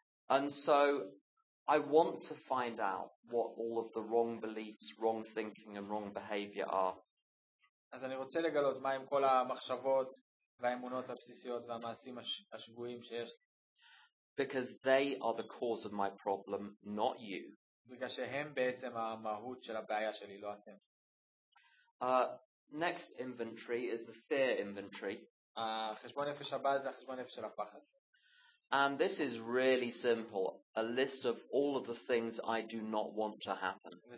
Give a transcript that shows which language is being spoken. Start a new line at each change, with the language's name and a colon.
English: And so I want to find out what all of the wrong beliefs, wrong thinking and wrong behavior are.
Hebrew: אז אני רוצה לגלות מהם כל המחשבות והאמונות הבסיסיות והמעשים השגויים שיש.
English: Because they are the cause of my problem, not you.
Hebrew: בגלל שהם בעצם המהות של הבעיה שלי, לא אתם.
English: Next inventory is the fear inventory.
Hebrew: החשבון נפש הבא זה החשבון נפש של הפחד.
English: And this is really simple, a list of all of the things I do not want to happen.